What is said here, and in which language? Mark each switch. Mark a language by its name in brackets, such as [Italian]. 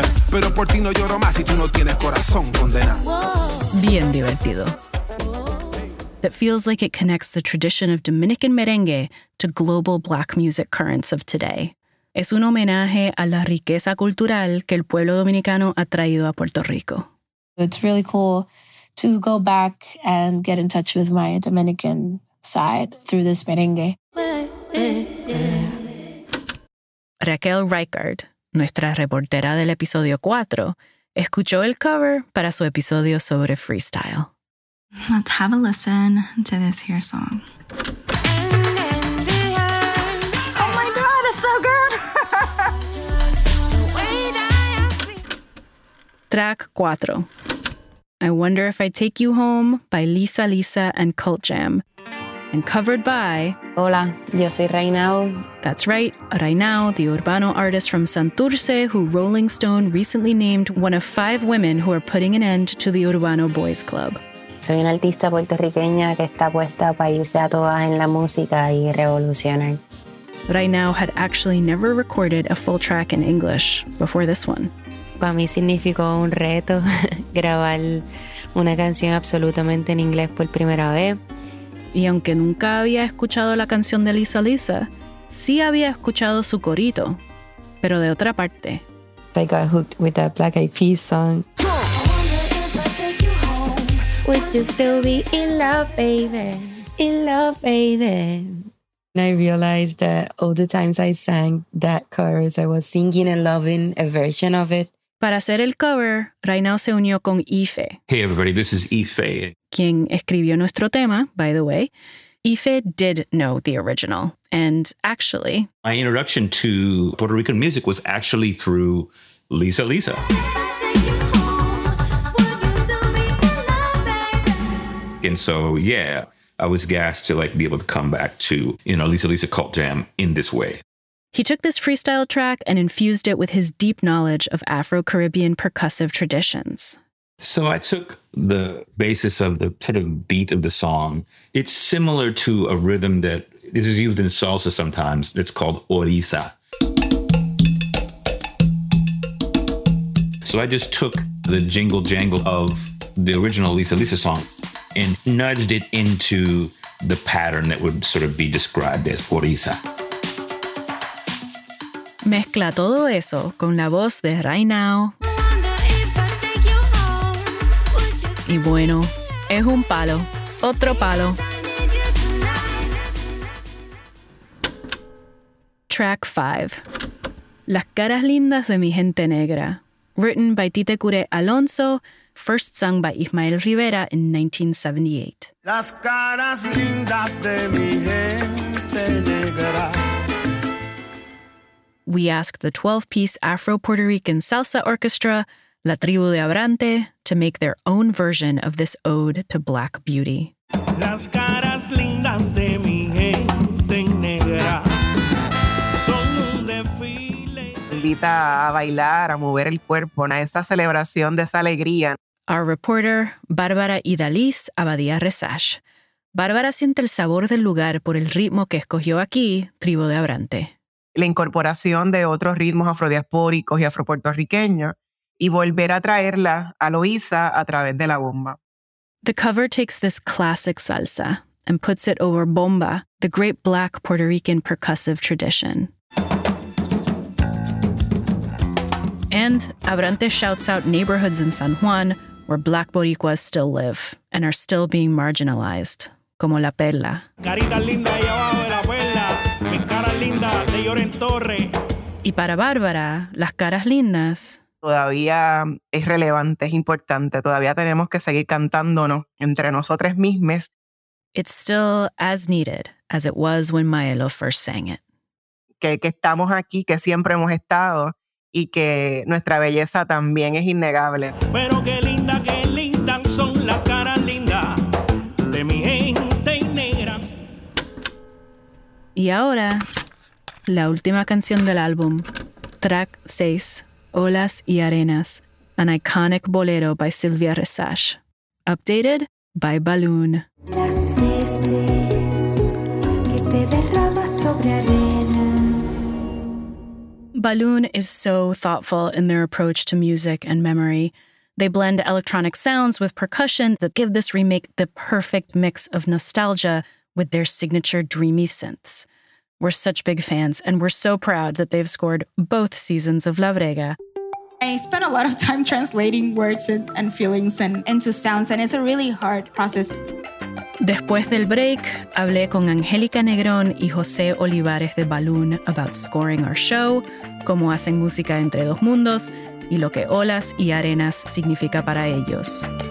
[Spanish] Pero por ti no lloro más si tú no tienes corazón condenado. Bien divertido. [English] That feels like it connects the tradition of Dominican merengue to global black music currents of today. [Spanish] Es un homenaje a la riqueza cultural que el pueblo dominicano ha traído a Puerto Rico. [English] It's really cool to go back and get in touch with my Dominican side through this merengue. [Spanish] Raquel Reichard, nuestra reportera del episodio 4, escuchó el cover para su episodio sobre freestyle. [English] Let's have a listen to this here song. Oh my God, it's so good! Track 4. I Wonder If I Take You Home by Lisa Lisa and Cult Jam. And covered by... [Spanish] Hola, yo soy Reinao. [English] That's right, Reinao, the Urbano artist from Santurce, who Rolling Stone recently named one of five women who are putting an end to the Urbano Boys Club. [Spanish] Soy una artista puertorriqueña que está puesta para irse a todas en la música y revolucionar. [English] Reinao had actually never recorded a full track in English before this one. [Spanish] Para mí significó un reto grabar una canción absolutamente en inglés por primera vez. Y aunque nunca había escuchado la canción de Lisa Lisa, sí había escuchado su corito, pero de otra parte. [English] I got hooked with that Black Eyed Peas song. I wonder if I take you home. Would you still be in love, baby? In love, baby. And I realized that all the times I sang that chorus, I was singing and loving a version of it. [Spanish] Para hacer el cover, Reinao se unió con Ife. [English] Hey everybody, this is Ife. [Spanish] Quien escribió nuestro tema, [English] by the way. Ife did know the original. And actually... My introduction to Puerto Rican music was actually through Lisa Lisa. And so, yeah, I was gassed to like be able to come back to, you know, Lisa Lisa Cult Jam in this way. He took this freestyle track and infused it with his deep knowledge of Afro-Caribbean percussive traditions. So I took the basis of the sort of beat of the song. It's similar to a rhythm that this is used in salsa sometimes. It's called orisa. So I just took the jingle jangle of the original Lisa Lisa song and nudged it into the pattern that would sort of be described as orisa. [Spanish] Mezcla todo eso con la voz de Reinao. Y bueno, es un palo, otro palo. Track 5. Las caras lindas de mi gente negra. [English] Written by Tite Curé Alonso, first sung by Ismael Rivera in 1978. [Spanish] Las caras lindas de mi gente negra. [English] We ask the 12-piece Afro-Puerto Rican salsa orchestra, La Tribu de Abrante, to make their own version of this ode to black beauty. [Spanish] Las caras lindas de mi gente negra son un desfile. Invita a bailar, a mover el cuerpo, a esa celebración de esa alegría. Our reporter, Bárbara Idalis Abadía Resash. Bárbara siente el sabor del lugar por el ritmo que escogió aquí, Tribu de Abrante. La incorporación de otros ritmos afrodiaspóricos y afropuertorriqueños y volver a traerla a Loíza a través de la bomba. [English] The cover takes this classic salsa and puts it over bomba, the great Black Puerto Rican percussive tradition. And Abrante shouts out neighborhoods in San Juan where Black Boricuas still live and are still being marginalized, [Spanish] como La Perla. Carita linda y abajo de la perla, mi cara linda de Lloren Torre. Y para Bárbara, las caras lindas todavía es relevante, es importante. Todavía tenemos que seguir cantándonos entre nosotras mismas. [English] It's still as needed as it was when Maelo first sang it. [Spanish] Que estamos aquí, que siempre hemos estado y que nuestra belleza también es innegable. Pero qué linda son las caras lindas de mi gente negra. Y ahora, la última canción del álbum, track 6. [English] Olas y Arenas, an iconic bolero by Silvia Resash. Updated by Balloon. [Spanish] Las veces que te derramas sobre arena. [English] Balloon is so thoughtful in their approach to music and memory. They blend electronic sounds with percussion that give this remake the perfect mix of nostalgia with their signature dreamy synths. We're such big fans, and we're so proud that they've scored both seasons of La Brega. I spent a lot of time translating words and feelings and into sounds, and it's a really hard process. [Spanish] Después del break, hablé con Angélica Negrón y José Olivares de Balloon [English] about scoring our show, [Spanish] cómo hacen música entre dos mundos, y lo que olas y arenas significa para ellos.